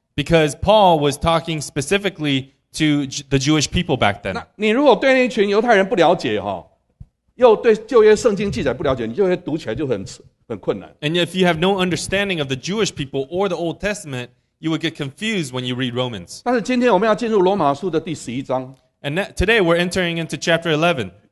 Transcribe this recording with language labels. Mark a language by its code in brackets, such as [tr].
[en] Because Paul was talking specifically to the Jewish people back then. [zh] 你如果对那群犹太人不了解，又对旧约圣经记载不了解，你就会读起来就很困难。 [en] And if you have no understanding of the Jewish people or the Old Testament, you would get confused when you read Romans. And today we're entering into chapter 11.